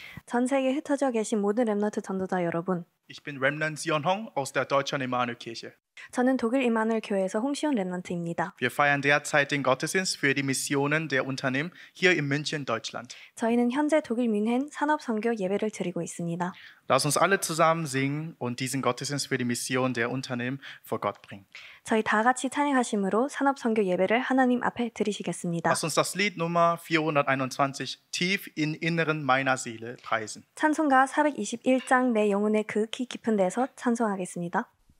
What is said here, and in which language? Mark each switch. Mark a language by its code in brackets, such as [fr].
[ko] 전 세계에 흩어져 계신 모든 렘넌트 전도자 여러분. [de] Ich bin Remnant Sion Hong aus der Deutschen Immanuel Kirche. [ko] 저는 독일 이마누엘 교회에서 홍시온 렘넌트입니다. [de] Wir feiern derzeit den Gottesdienst für die Missionen der Unternehmen hier in München, Deutschland. [ko] 저희는 현재 독일 뮌헨 산업 선교 예배를 드리고 있습니다. [de] Lass uns alle zusammen singen und diesen Gottesdienst für die Mission der Unternehmen vor Gott bringen. [ko] 저희 다 같이 찬양하심으로 산업 선교 예배를 하나님 앞에 드리시겠습니다. [de] Lass uns das Lied Nummer 421 tief in inneren meiner Seele preisen. [ko] 찬송가 421장 내 영혼의 극히 깊은 데서 찬송하겠습니다.